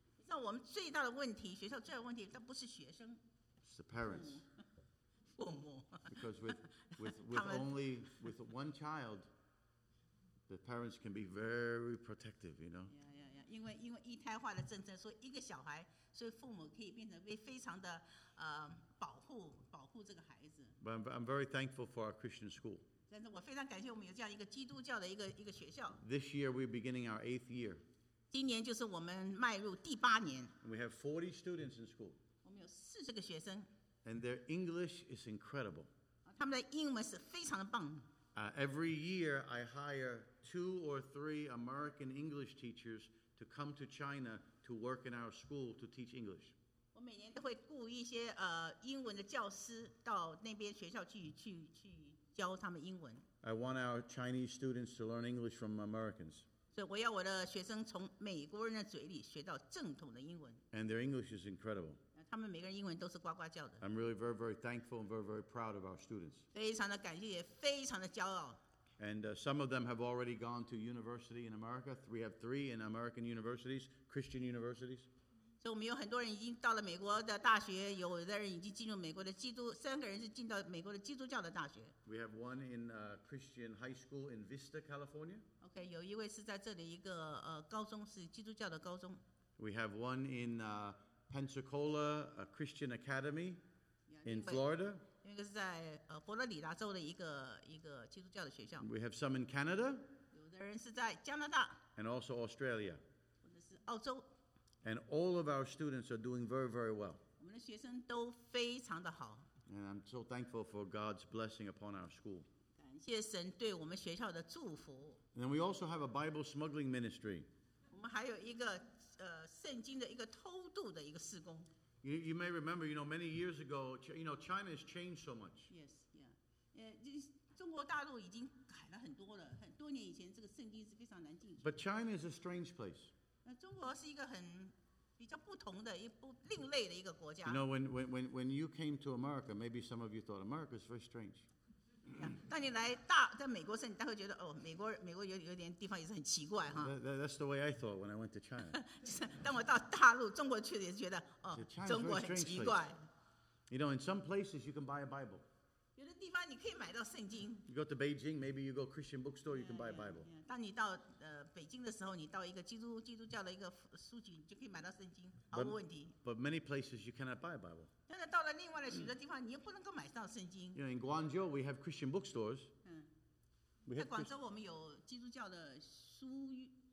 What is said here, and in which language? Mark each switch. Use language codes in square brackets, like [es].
[zh] 你知道我们最大的问题，学校最大的问题，它不是学生。 [en] It's the parents. [zh] 父母。 [en] Because with only with one child, the parents can be very protective, you know. [zh] 因为一胎化的政策，所以一个小孩，所以父母可以变成非常的保护这个孩子。 [en] But I'm very thankful for our Christian school. [zh] 但是我非常感谢我们有这样一个基督教的一个学校。 [en] This year we're beginning our 8th year. [zh] 今年就是我们迈入第八年。 [en] And we have 40 students in school. [zh] 我们有40个学生。 [en] And their English is incredible. [zh] 他们的英文是非常的棒。 [en] Every year I hire 2 or 3 American English teachers. To come to China to work in our school to teach English. [zh] 我每年都会雇一些英文的教师到那边学校去教他们英文。 [en] I want our Chinese students to learn English from Americans. [zh] 所以我要我的学生从美国人的嘴里学到正统的英文。 [en] And their English is incredible. [zh] 他们每个人英文都是呱呱叫的。 [en] I'm really very, very thankful and very, very proud of our students. [zh] 非常的感谢，也非常的骄傲。 [en] And some of them have already gone to university in America. We have 3 in American universities, Christian universities. So we have [zh] 很多人已经到了美国的大学，有的人已经进入美国的基督，三个人是进到美国的基督教的大学。 [en] We have 1 in Christian high school in Vista, California. [zh] Okay, 有一位是在这里一个高中，是基督教的高中。 [en] We have one in Pensacola, a Christian Academy in Florida. [zh] 一个是在佛罗里达州的一个基督教的学校。 [en] We have some in Canada. [zh] 有的人是在加拿大。 [en] And also Australia. [zh] 或者是澳洲。 [en] And all of our students are doing very, very well. [zh] 我们的学生都非常的好。 [en] And I'm so thankful for God's blessing upon our school. [zh] 感谢神对我们学校的祝福。 [en] And we also have a Bible smuggling ministry. [zh] 我们还有一个圣经的一个偷渡的一个事工。 [en] You may remember, you know, many years ago, you know, China has changed so much. Yes, yeah. [zh] 中国大陆已经改了很多了，很多年以前这个圣经是非常难进去。 [en] But China is a strange place. [zh] 中国是一个很比较不同的一不另类的一个国家。 [en] You know, when you came to America, maybe some of you thought America is very strange. [zh] 当你来大在美国时，你大概觉得哦，美国有点地方也是很奇怪哈。 [en] That's the way I thought when I went to China. [zh] 当我到大陆中国去，也是觉得哦，中国很奇怪。 [en] You know, in some places you can buy a Bible. [zh] 有的地方你可以买到圣经。 [en] You go to Beijing, maybe you go Christian bookstore, you can buy a Bible. [zh] 当你到北京的时候，你到一个基督教的一个书局，你就可以买到圣经，毫无问题。 [en] But many places you cannot buy a Bible. [zh] 但是到了另外的许多地方，你又不能够买到圣经。 [en] You know, in Guangzhou we have Christian bookstores. [zh] 在广州我们有基督教的书店。